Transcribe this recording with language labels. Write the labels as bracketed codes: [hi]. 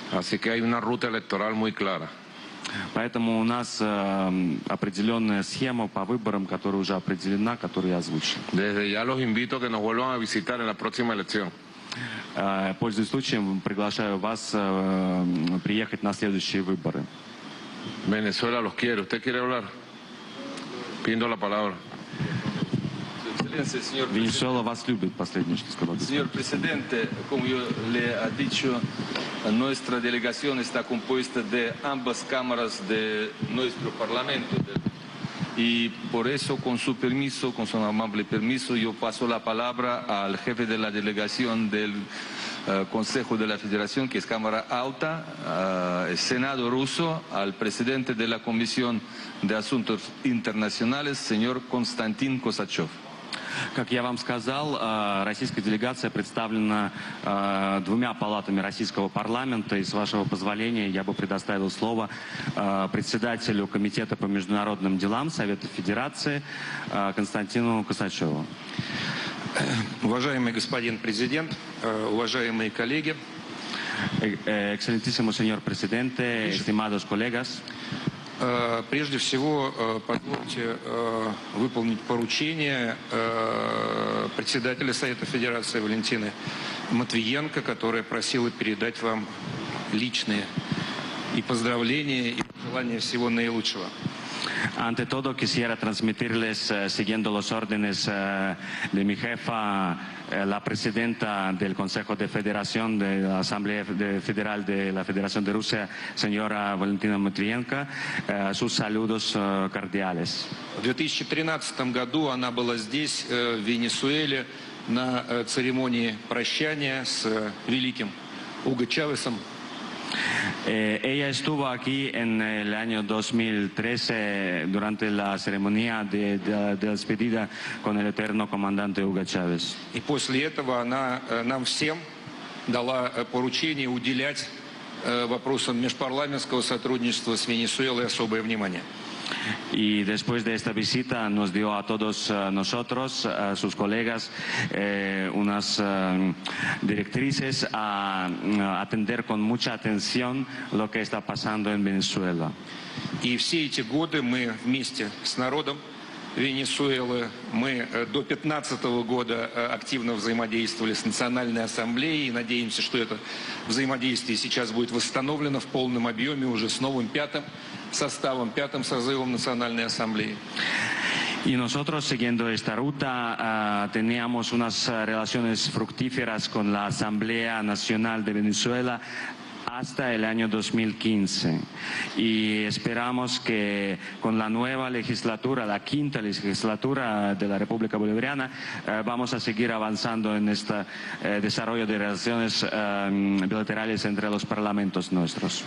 [es] Así que hay una ruta electoral muy clara. [ru] Поэтому у нас определенная схема по выборам, которая уже определена, которую я озвучил. [es] Desde ya los invito a que nos vuelvan a visitar en la próxima elección. [ru] Пользуясь случаем, приглашаю вас приехать на следующие выборы. [es] Venezuela los quiere. ¿Usted quiere hablar? Pido la palabra. [ru] Венесуэла вас любит, последнее, что сказал. [es] Señor presidente, como yo le ha dicho, nuestra delegación está compuesta de ambas cámaras de nuestro parlamento. Y por eso, con su permiso, con su amable permiso, yo paso la palabra al jefe de la delegación del Consejo de la Federación, que es Cámara Alta, el Senado ruso, al presidente de la Comisión de Asuntos Internacionales, señor Konstantin Kosachev. [ru] Как я вам сказал, российская делегация представлена двумя палатами российского парламента, и с вашего позволения я бы предоставил слово председателю Комитета по международным делам Совета Федерации Константину Косачеву. Уважаемый господин президент, уважаемые коллеги, [es] excelentísimo señor presidente, estimados colegas, [ru] прежде всего, позвольте выполнить поручение председателя Совета Федерации Валентины Матвиенко, которая просила передать вам личные и поздравления, и пожелания всего наилучшего. [es] Ante todo, quisiera transmitirles, siguiendo los órdenes de mi jefa, la presidenta del Consejo de Federación, de la Asamblea Federal de la Federación de Rusia, señora Valentina Matviyenko, sus saludos cordiales. En [ru] 2013 году она была здесь, в Венесуэле, на церемонии прощания с великим Уго Чавесом. [es] Ella estuvo aquí en el año 2013 durante la ceremonia de despedida con el eterno comandante Hugo Chávez. Y [ru] после этого она нам всем дала поручение уделять вопросам межпарламентского сотрудничества с Венесуэлой особое внимание. [es] Y después de esta visita nos dio a todos nosotros, a sus colegas, unas directrices a atender con mucha atención lo que está pasando en Venezuela. Y [ru] все эти годы мы вместе с народом Венесуэлы, мы до 15-го года активно взаимодействовали с Национальной Ассамблеей, и надеемся, что это взаимодействие сейчас будет восстановлено в полном объеме уже с новым пятым составом, пятым созывом Национальной Ассамблеи. [es] Y nosotros, siguiendo esta ruta, teníamos unas relaciones fructíferas con la Asamblea Nacional de Venezuela hasta el año 2015, y esperamos que con la nueva legislatura, la quinta legislatura de la República Bolivariana, vamos a seguir avanzando en este desarrollo de relaciones bilaterales entre los parlamentos nuestros.